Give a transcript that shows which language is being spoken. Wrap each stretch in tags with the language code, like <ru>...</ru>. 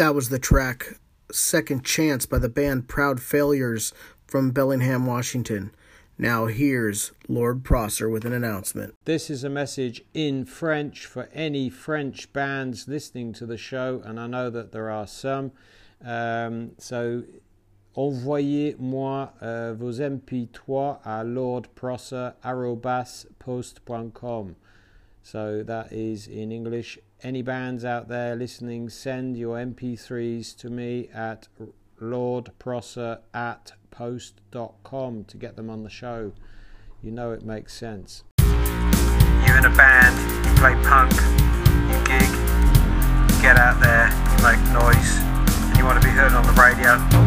<en>The track Second Chance by the band Proud Failures from Bellingham, Washington. Now here's Lord Prosser with an announcement. This is a message in French for any French bands listening to the show, and I know that there are some.</en> <fr>So envoyez-moi vos MP3 à lordprosser@post.com.</fr> <en>So that is in English. Any bands out there listening, send your MP3s to me at lordprosser@post.com to get them on the show. You know it makes sense. You're in a band, you play punk, you gig, you get out there, you make noise, and you want to be heard on the radio.</en>